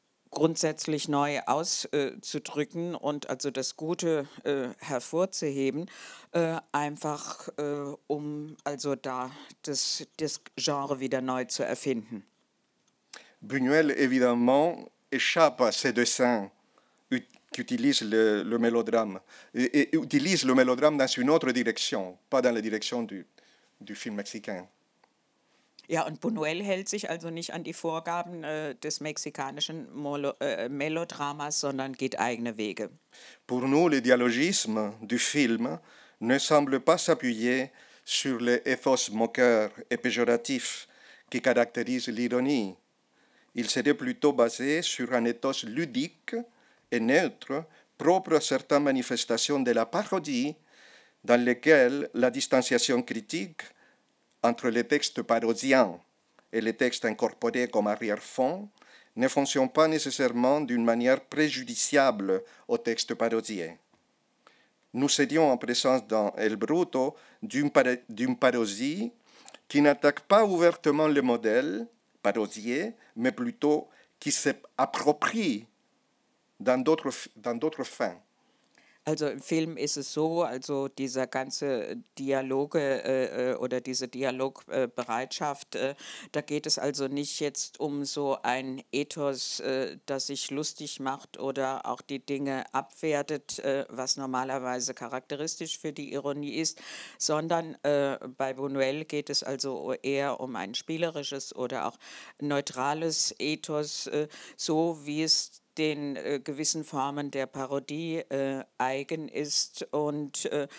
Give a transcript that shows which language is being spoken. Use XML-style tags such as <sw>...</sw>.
<de>grundsätzlich neu auszudrücken und also das Gute hervorzuheben, einfach um also da das Genre wieder neu zu erfinden.</de> <fr>Buñuel évidemment échappe à ses dessins qu'utilise le mélodrame et utilise le mélodrame dans une autre direction, pas dans la direction du film mexicain.</fr> <de>Ja, und Buñuel hält sich also nicht an die Vorgaben des mexikanischen Melodramas, sondern geht eigene Wege.</de> <fr>Pour nous, le dialogisme du film ne semble pas s'appuyer sur les ethos moqueurs et péjoratifs qui caractérisent l'ironie. Il serait plutôt basé sur un ethos ludique et neutre, propre à certaines manifestations de la parodie, dans lesquelles la distanciation critique entre les textes parodiens et les textes incorporés comme arrière-fond, ne fonctionne pas nécessairement d'une manière préjudiciable aux textes parodiés. Nous serions en présence dans El Bruto d'une parodie qui n'attaque pas ouvertement le modèle parodié, mais plutôt qui s'approprie dans d'autres fins.</fr> <de>Also im Film ist es so, also dieser ganze Dialoge oder diese Dialogbereitschaft, da geht es also nicht jetzt um so ein Ethos, das sich lustig macht oder auch die Dinge abwertet, was normalerweise charakteristisch für die Ironie ist, sondern bei Buñuel geht es also eher um ein spielerisches oder auch neutrales Ethos, so wie es den gewissen Formen der Parodie eigen ist und</de>